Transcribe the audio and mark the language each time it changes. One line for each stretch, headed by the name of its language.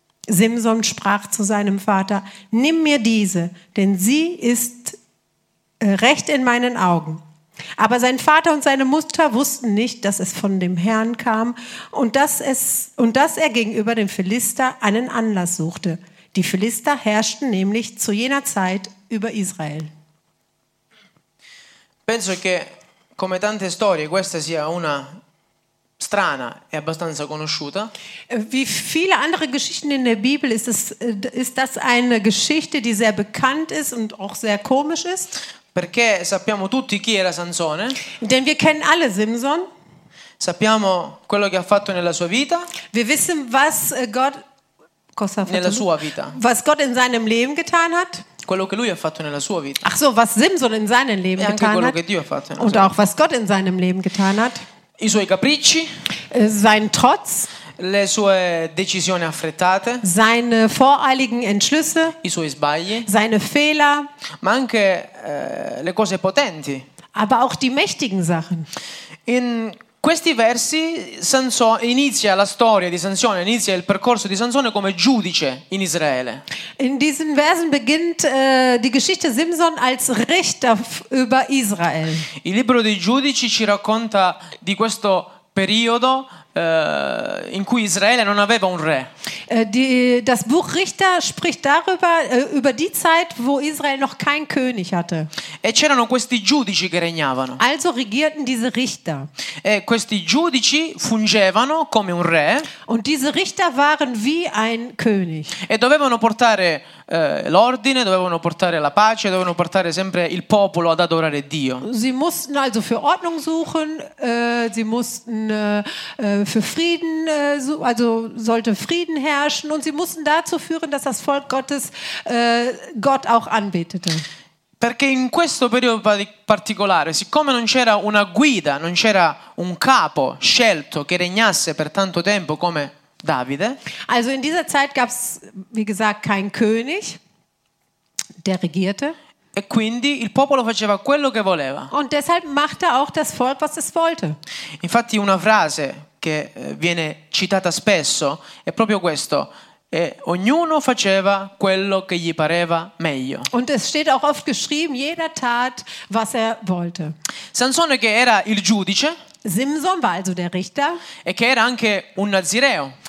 German: Simson sprach zu seinem Vater: Nimm mir diese, denn sie ist recht in meinen Augen. Aber sein Vater und seine Mutter wussten nicht, dass es von dem Herrn kam und dass er gegenüber dem Philister einen Anlass suchte. Die Philister herrschten nämlich zu jener Zeit über Israel.
Italian: Penso che, come tante storie, questa sia una strana e abbastanza conosciuta.
German: Wie viele andere Geschichten in der Bibel ist das eine Geschichte, die sehr bekannt ist und auch sehr komisch ist.
Italian: Perché sappiamo tutti chi era Sansone.
German: Denn wir kennen alle Simson.
Italian: Sappiamo quello che ha fatto nella sua vita.
German: Wir wissen, was Gott
Italian: nella sua vita.
German: Was Gott in seinem Leben getan hat.
Italian: Quello che lui ha fatto nella sua vita.
German: Ach so, was Simson in seinem Leben getan hat.
Italian: Che Dio ha fatto
German: und auch was Gott in seinem Leben getan hat.
Italian: I suoi capricci.
German: Sein Trotz.
Italian: Le sue decisioni affrettate.
German: Seine voreiligen Entschlüsse.
Italian: I suoi sbagli.
German: Seine Fehler.
Italian: Ma anche le cose potenti.
German: Aber auch die mächtigen Sachen.
Italian: In questi versi Sansone inizia la storia di Sansone, inizia il percorso di Sansone come giudice in Israele.
German: In diesen Versen beginnt die Geschichte Simson als Richter über Israel.
Italian: Il libro dei Giudici ci racconta di questo periodo in cui Israele non aveva un re.
German: Das Buch Richter spricht darüber über die Zeit, wo Israel noch kein König hatte.
Italian: E c'erano questi giudici che regnavano.
German: Also regierten diese Richter.
Italian: E questi giudici fungevano come un re.
German: Und diese Richter waren wie ein König.
Italian: E dovevano portare l'ordine, dovevano portare la pace, dovevano portare sempre il popolo ad adorare Dio.
German: Sie mussten also für Ordnung suchen, sie mussten für Frieden, also sollte Frieden herrschen und sie mussten dazu führen, dass das Volk Gottes Gott auch anbetete.
Italian: Perché in questo periodo particolare, siccome non c'era una guida, non c'era un capo scelto che regnasse per tanto tempo come Davide.
German: Also in dieser Zeit gab es, wie gesagt, keinen König, der regierte.
Italian: E quindi il popolo faceva quello che voleva.
German: Und deshalb machte auch das Volk, was es wollte.
Italian: Infatti una frase che viene citata spesso è proprio questo: e ognuno faceva quello che gli pareva meglio.
German: Und es steht auch oft geschrieben, jeder tat, was er wollte.
Italian: Sansone, che era il giudice,
German: Simson war also der Richter,
Italian: e che era anche un nazireo.